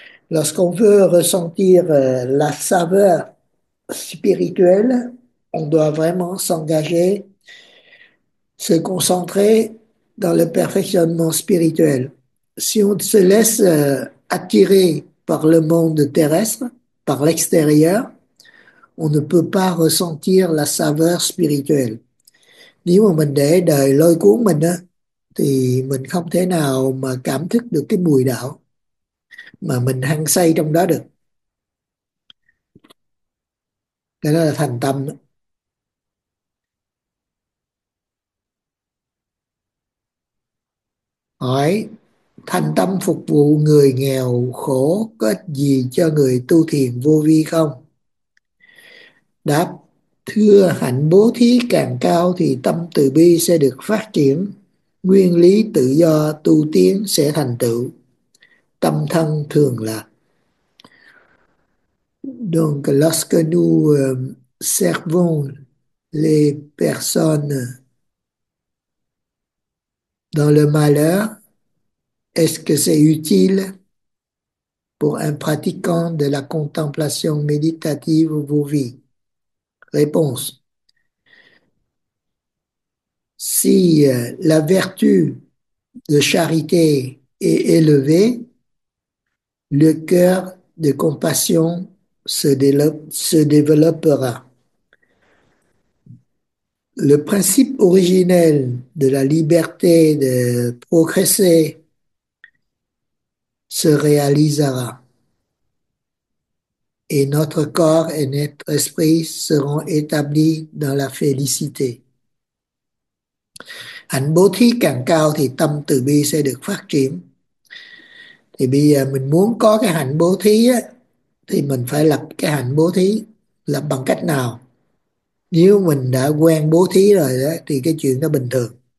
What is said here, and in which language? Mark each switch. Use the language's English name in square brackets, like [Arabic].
[French] Lorsqu'on veut ressentir la saveur spirituelle, on doit vraiment s'engager, se concentrer dans le perfectionnement spirituel. Si on se laisse attirer par le monde terrestre, par l'extérieur, on ne peut pas ressentir la saveur spirituelle. [Vietnamese] Nếu mà mình để đời lôi cuốn mình á, thì mình không thể nào mà cảm thức được cái bùi đạo mà mình hăng say trong đó được. Cái đó là thành tâm. Hỏi: thành tâm phục vụ người nghèo khổ có ích gì cho người tu thiền vô vi không? Đáp: thưa, hạnh bố thí càng cao thì tâm từ bi sẽ được phát triển, nguyên lý tự do tu tiến sẽ thành tựu, tâm thân thường lạc. [French] Donc, lorsque nous servons les personnes dans le malheur, est-ce que c'est utile pour un pratiquant de la contemplation méditative vos vies? Réponse: si la vertu de charité est élevée, le cœur de compassion se développera. Le principe originel de la liberté de progresser se réalisera. Et notre corps et notre esprit seront établis dans la félicité. [Vietnamese] Hạnh bố thí càng cao thì tâm từ bi sẽ được phát triển. Thì bây giờ mình muốn có cái hạnh bố thí á, thì mình phải lập cái hạnh bố thí. là bằng cách nào. Nếu mình đã quen bố thí rồi đó thì cái chuyện đó bình thường.